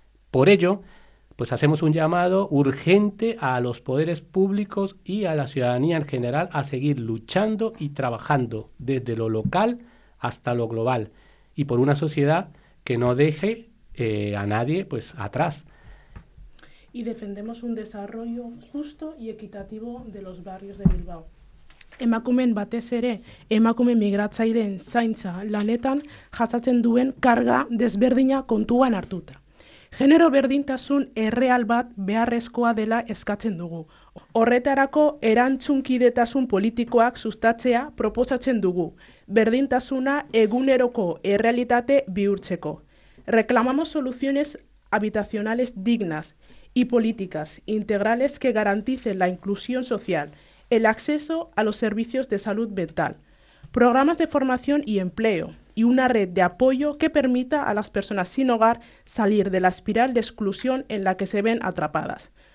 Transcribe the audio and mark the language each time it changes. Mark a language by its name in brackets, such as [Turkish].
[Spanish] Por ello, pues hacemos un llamado urgente a los poderes públicos y a la ciudadanía en general a seguir luchando y trabajando desde lo local hasta lo global y por una sociedad que no deje a nadie pues atrás. Y defendemos un desarrollo justo y equitativo de los barrios de Bilbao. [Basque] Emakumeen batez ere, emakume migratzaileen zaintza lanetan jasatzen duen karga desberdina kontuan hartuta. Genero berdintasun erreal bat beharrezkoa dela eskatzen dugu. Horretarako erantzunkidetasun politikoak sustatzea proposatzen dugu, berdintasuna eguneroko errealitate bihurtzeko. [Spanish] Reclamamos soluciones habitacionales dignas y políticas integrales que garanticen la inclusión social, el acceso a los servicios de salud mental, programas de formación y empleo y una red de apoyo que permita a las personas sin hogar salir de la espiral de exclusión en la que se ven atrapadas.